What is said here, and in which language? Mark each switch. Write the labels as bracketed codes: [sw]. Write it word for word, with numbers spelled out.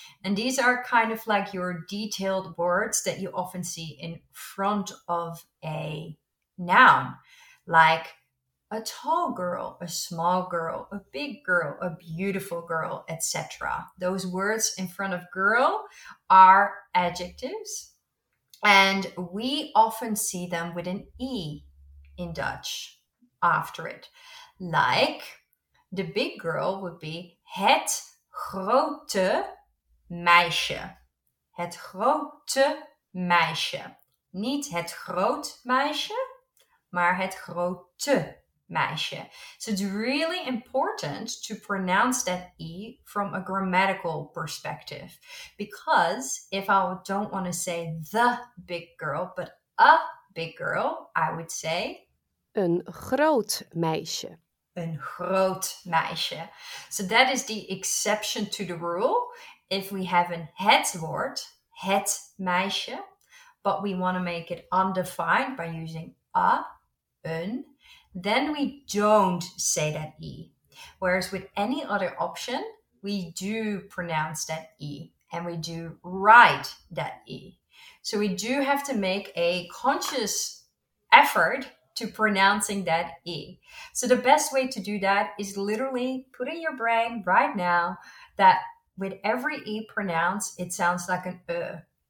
[en] And these are kind of like your detailed words that you often see in front of a noun, like a tall girl, a small girl, a big girl, a beautiful girl, et cetera. Those words in front of girl are adjectives, and we often see them with an E in Dutch after it. Like the big girl would be [nl] het grote meisje. Het grote meisje. Niet het groot meisje, maar het grote meisje. [en] So it's really important to pronounce that E from a grammatical perspective. Because if I don't want to say the big girl, but a big girl, I would say [nl] een groot meisje. Een groot meisje. [en] So that is the exception to the rule. If we have een het woord, het meisje, but we want to make it undefined by using a, een, then we don't say that E. Whereas with any other option, we do pronounce that E and we do write that E. So we do have to make a conscious effort to pronouncing that E. So the best way to do that is literally put in your brain right now that with every E pronounced, it sounds like an uh.